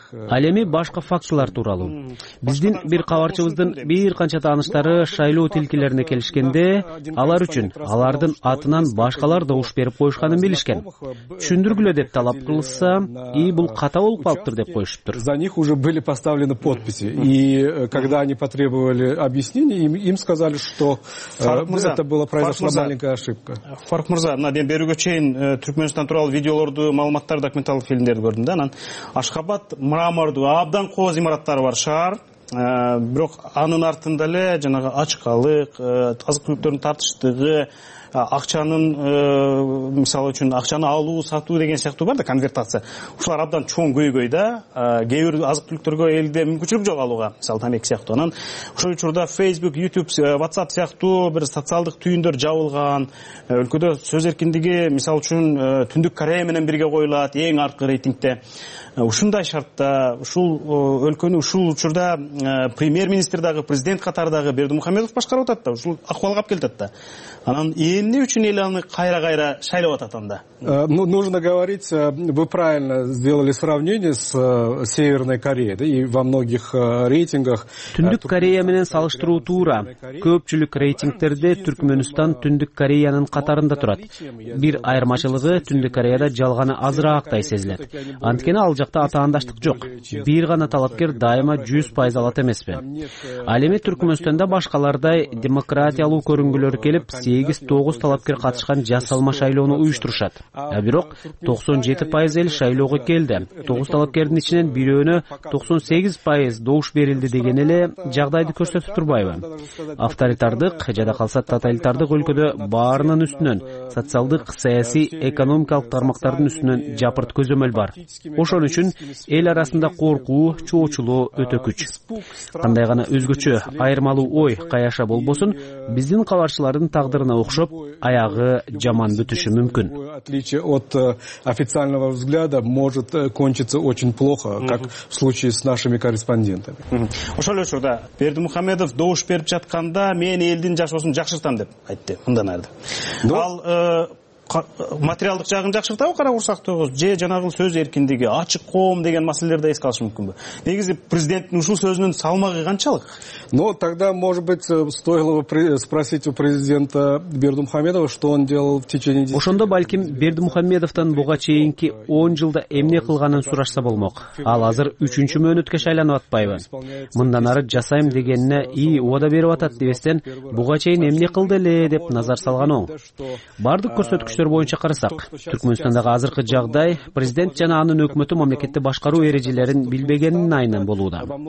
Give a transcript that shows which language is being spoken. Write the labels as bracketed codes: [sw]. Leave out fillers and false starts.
[ky] Ал эми башка фактылар тууралуу. Биздин бир кабарчыбыздын бир канча тааныштары шайлоо тилкелерине келишкенде, алар үчүн алардын атынан башкалар добуш берип коюшканын билишкен. Түшүндүргүлө деп талап кылышса, и бул ката болуп калыптыр деп коюшуптур. [ru] За них уже были поставлены подписи. И когда они потребовали объяснений, им сказали, что это было произошла маленькая ошибка. [ky] Фарук мырза, мына мен берүүгө чейин Түркмөнстан тууралуу видеолорду, маалыматтарды, документалдык фильмдерди көрдүм да. Анан Ашхабад мрамордуу абдан кооз имараттары бар шаар. Бирок анын артында эле жанагы ачкалык, азык түлүктөрдүн тартыштыгы, акчанын мисалы үчүн акчаны алуу сатуу деген сыяктуу бар да, конвертация. Ушулар абдан чоң көйгөй да, кээ бир азык түлүктөргө элде мүмкүнчүлүк жок алууга, мисалы тамеки сыяктуу. Анан ошол учурда Facebook, YouTube, WhatsApp сыяктуу бир социалдык түйүндөр жабылган. Өлкөдө сөз эркиндиги мисалы үчүн Түндүк Корея менен бирге коюлат эң аркы рейтингде. Ушундай шартта ушул өлкөнү ушул учурда премьер министр дагы, президент катары дагы Бердимухамедов башкарып атат да, ушул акыбалга алып келатат да. Анан эмне үчүн эле аны кайра-кайра шайлап атат анда? [ru] Нужно говорить, вы правильно сделали сравнение с Северной Кореей, да, и во многих рейтингах. [ky] Түндүк Корея менен салыштыруу туура. Көпчүлүк рейтингтерде Түркмөнстан Түндүк Кореянын катарында турат. Бир айырмачылыгы Түндүк Кореяда жалганы азыраактай сезилет. Анткени ал жакта атаандаштык жок. Бир гана талапкер дайыма 100% алат эмеспи? Ал эми Түркмөнстанда башкалардай демократиялуу көрүнгүлөр келип, 8-9 талапкер катышкан жасалма шайлоону уюштурушат. Бирок 97% эл шайлоого келди. 9 талапкердин ичинен бирөөнө 98% добуш берилди деген эле жагдайды көрсөтүп турбайбы? Авторитардык жада калса тоталитардык өлкөдө баарынын үстүнөн социалдык, саясий, экономикалык тармактардын үстүнөн жапырт көзөмөл бар. Ошон үчүн эл арасында коркуу, чоочулоо өтө күч. Кандай гана өзгөчө, айырмалуу ой каяша болбосун, биздин кабарчылардын тагдырына окшоп, аягы жаман бүтүшү мүмкүн. [ru] Отличие от официального взгляда может кончиться очень плохо, как в случае с нашими корреспондентами. [ky] Ошол эле учурда Бердимухамедов добуш берип жатканда мен элдин жашоосун жакшыртам деп айтты. Мындан арды. Ал материалдык жагын жакшыртабы, кара курсактоо же жанагыл сөз эркиндиги, ачык коом деген маселелерди эске алыш мүмкүнбү? Негизи президенттин ушул сөзүнүн салмагы канчалык? [ru] Ну тогда, может быть, стоило бы спросить у президента Бердимухамедова, что он делал в течение 10. [ky] Ошондо балким Бердимухамедовтон буга чейинки 10 жылда эмне кылганын сурашса болмок. Ал азыр 3-чү мөөнөткө шайланып атпайбы? Мындан ары жасайм дегенине ии ода берип атат дебестен, буга чейин эмне кылды эле деп назар салган оң. Бардык көрсөткүч күчтөр боюнча карасак, Түркмөнстандагы азыркы жагдай президент жана анын өкмөтү мамлекетти башкаруу эрежелерин билбегенин айынан болууда.